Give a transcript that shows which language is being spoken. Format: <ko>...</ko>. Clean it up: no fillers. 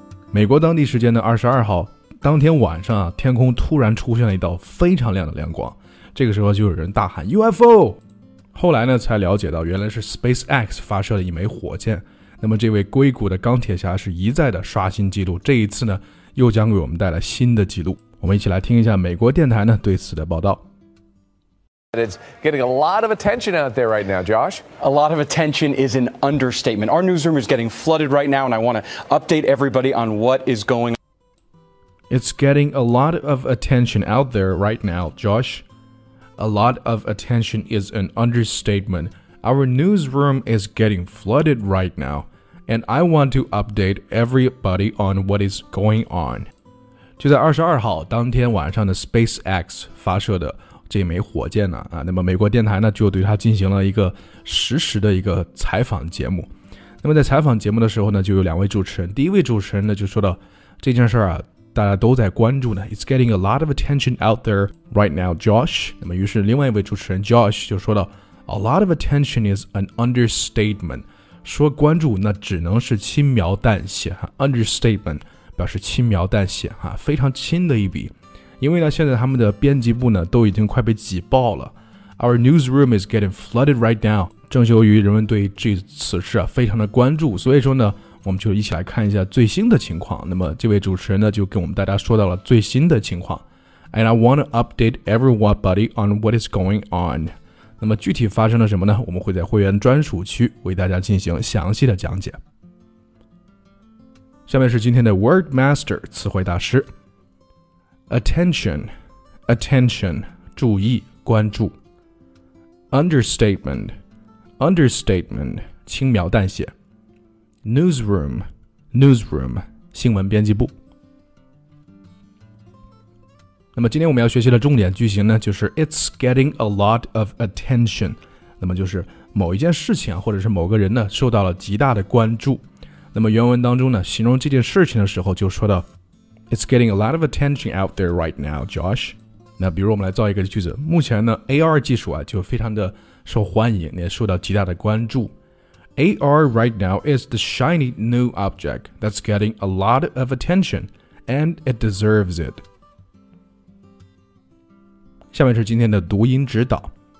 <zh>美国当地时间的22号，当天晚上，天空突然出现了一道非常亮的亮光，这个时候就有人大喊 UFO。后来呢，才了解到原来是 SpaceX 发射了一枚火箭。那么这位硅谷的钢铁侠是一再的刷新记录，这一次呢，又将给我们带来新的记录。我们一起来听一下美国电台呢对此的报道。</zh> <en>It's getting a lot of attention out there right now, Josh. A lot of attention is an understatement. Our newsroom is getting flooded right now, and I want to update everybody on what is going on. It's getting a lot of attention out there right now, Josh. A lot of attention is an understatement. Our newsroom is getting flooded right now, and I want to update everybody on what is going on.</en> <zh>就在22号当天晚上的 SpaceX 发射的这枚火箭呢、那么美国电台呢就对它进行了一个实时的一个采访节目。那么在采访节目的时候呢，就有两位主持人，第一位主持人呢就说到这件事啊，大家都在关注呢。</zh> <en>It's getting a lot of attention out there right now, Josh.</en> <zh>那么于是另外一位主持人 Josh 就说到</zh> <en>A lot of attention is an understatement.</en> <zh>说关注那只能是轻描淡写 ，understatement 表示轻描淡写哈、非常轻的一笔。因为呢现在他们的编辑部呢都已经快被挤爆了。</zh> <en>Our newsroom is getting flooded right now.</en> <zh>正由于人们对这此事、非常的关注，所以说呢我们就一起来看一下最新的情况。那么这位主持人呢就跟我们大家说到了最新的情况。</zh> <en>And I want to update everybody on what is going on.</en> <zh>那么具体发生了什么呢，我们会在会员专属区为大家进行详细的讲解。下面是今天的 Word Master 词汇大师。Attention, attention, 注意关注。 Understatement, understatement, 轻描淡写。 Newsroom, newsroom, 新闻编辑部。那么今天我们要学习的重点句型呢，就是</zh> <en>It's getting a lot of attention.</en> <zh>那么就是某一件事情、或者是某个人呢受到了极大的关注。那么原文当中呢，形容这件事情的时候就说到</zh> <en>It's getting a lot of attention out there right now, Josh.</en> <zh>那比如我们来造一个句子，目前呢 AR 技术啊就非常的受欢迎，也受到极大的关注。</zh> <en>AR right now is the shiny new object that's getting a lot of attention, and it deserves it.</en> <zh>下面是今天的读音指导。</zh>